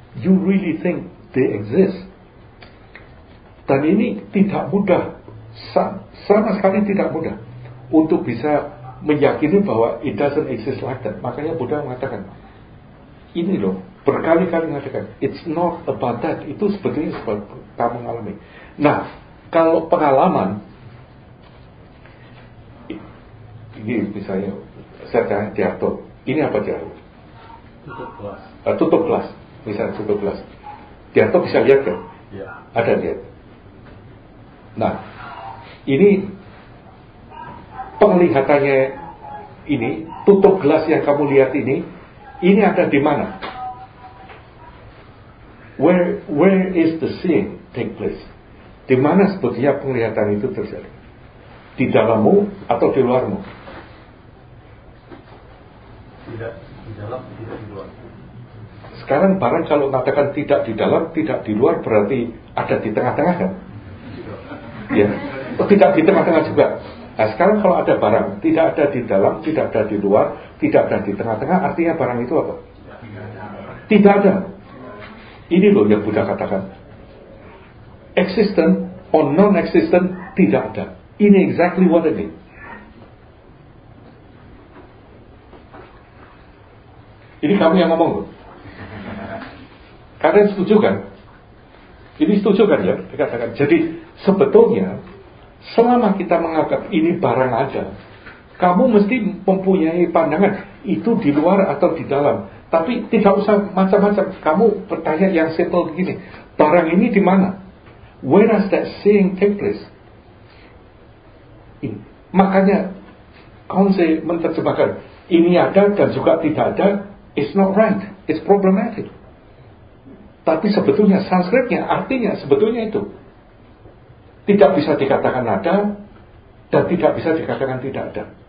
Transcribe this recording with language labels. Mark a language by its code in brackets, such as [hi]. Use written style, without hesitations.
[en] You really think they exist? [id] Dan ini tidak mudah, sama sekali tidak mudah untuk bisa meyakini bahwa [en] it doesn't exist like that. [id] Makanya Buddha mengatakan, ini loh, berkali-kali mengatakan, [en] it's not about that, [id] itu sebetulnya sebab kamu mengalami. Nah, kalau pengalaman, ini misalnya, saya tanya Diarto, ini apa Diarto? Tutup kelas. Tutup kelas, misalnya tutup kelas. Diarto bisa lihat kan? Iya. Ada lihat. Nah, ini penglihatannya ini, tutup gelas yang kamu lihat ini ada di mana? [en] Where is the seeing take place? [id] Di mana sebetulnya penglihatan itu terjadi? Di dalammu atau di luarmu? Tidak di dalam, tidak di luar. Sekarang barang kalau mengatakan tidak di dalam, tidak di luar berarti ada di tengah-tengah kan? Ya, tidak di tengah-tengah juga. Nah, sekarang kalau ada barang, tidak ada di dalam, tidak ada di luar, tidak ada di tengah-tengah, artinya barang itu apa? Tidak ada. Ini loh yang Buddha katakan. [en] Existent or non-existent, [id] tidak ada. [en] in exactly what it is. [id] Ini kamu yang ngomong loh. Kalian setuju kan? Ini setuju kan ya? Dikatakan. Jadi sebetulnya selama kita menganggap ini barang aja, kamu mesti mempunyai pandangan itu di luar atau di dalam. Tapi tidak usah macam-macam. Kamu bertanya yang simple begini. Barang ini di mana? [en] Where does that seeing take place? [id] Ini. Makanya Kongsi menerjemahkan ini ada dan juga tidak ada. [en] It's not right. It's problematic. [id] Tapi sebetulnya Sanskritnya artinya sebetulnya itu tidak bisa dikatakan ada dan tidak bisa dikatakan tidak ada.